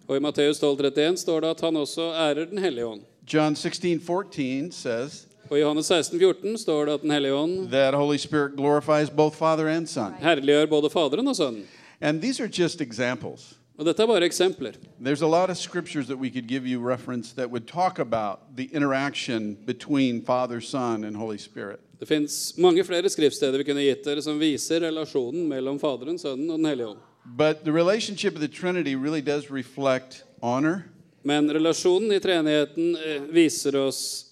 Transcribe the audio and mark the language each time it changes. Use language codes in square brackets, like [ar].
[sv] Och I Matteus 12:31 står det att han också ärar den helige ande. [en] John 16:14 says [no] Og I Johannes 16:14 står det at den hellige ånd [en] That Holy Spirit glorifies both Father and Son. [no] Herliggjør både Faderen og Sønnen. [en] And these are just examples. [no] Og dette bare eksempler. [en] There's a lot of scriptures that we could give you reference that would talk about the interaction between Father, Son and Holy Spirit. [no] Det finnes mange flere skriftsteder vi kunne gitt dere som viser relasjonen mellom Faderen, Sønnen og den hellige ånd. [en] But the relationship of the Trinity really does reflect honor. [no] Men relasjonen I treenigheten viser oss